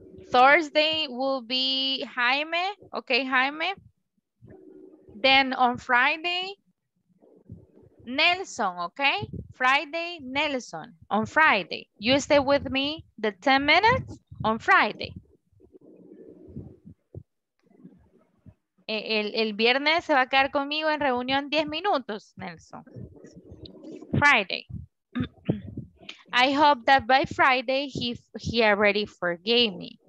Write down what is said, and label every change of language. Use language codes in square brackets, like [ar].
[en] Thursday will be Jaime, okay, Jaime. Then on Friday, Nelson, okay? Friday, Nelson, on Friday. You stay with me the 10 minutes on Friday. [es] El viernes se va a quedar conmigo en reunión 10 minutos, Nelson. [en] Friday. I hope that by Friday, he already forgave me.